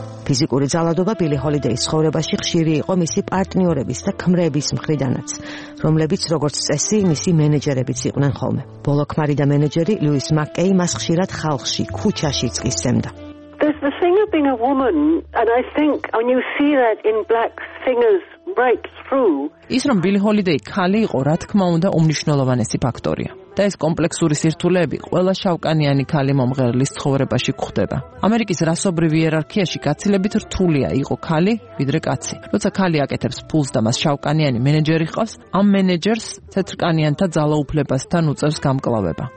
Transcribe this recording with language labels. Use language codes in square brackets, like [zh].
[ka] ფიზიკური ძალადობა ბილი ჰოლიდეის ცხოვრებაში ხშირი იყო მისი პარტნიორების და ქმრების მხრიდანაც, რომლებიც როგორც წესი მისი მენეჯერებიც იყვნენ ხოლმე. ბოლო ქმარი და მენეჯერი ლუის მაკეი მას ხშირად ხალხში, ქუჩაში წისემდა. [en] There's the thing of being a woman and I think when you see that in black singers break through. [ka] ის რომ ბილი ჰოლიდეი ქალი იყო, რა თქმა უნდა, უმნიშვნელოვანესი ფაქტორია. და ეს კომპლექსური სირთულეები ყველა შავკანიანი ქალი მომღერლის ცხოვრებაში გვხვდება. ამერიკის რასობრივი იერარქიაში გაცილებით რთულია იყო ქალი, ვიდრე კაცი. როცა ქალი აკეთებს ფულს და მას შავკანიანი მენეჯერი ჰყავს, ამ მენეჯერს თეთრკანიანთა ძალაუფლებასთან უწევს გამკლავება.